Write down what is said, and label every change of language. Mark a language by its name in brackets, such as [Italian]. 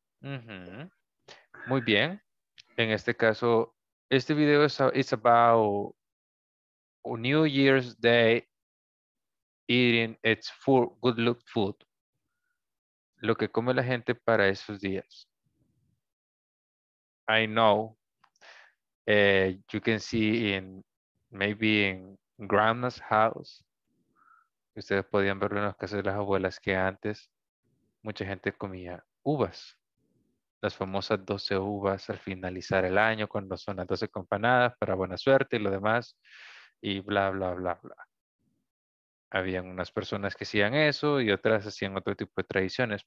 [Spanish] Uh-huh. Muy bien. En este caso, este video es [English] it's about New Year's Day eating its food, good luck food. [Spanish] Lo que come la gente para esos días. [English] I know. You can see in maybe in grandma's house. [Spanish] Ustedes podían verlo en las casas de las abuelas que antes mucha gente comía uvas. Las famosas 12 uvas al finalizar el año cuando son las 12 campanadas para buena suerte y lo demás. Y bla, bla, bla, bla. Habían unas personas que hacían eso y otras hacían otro tipo de tradiciones.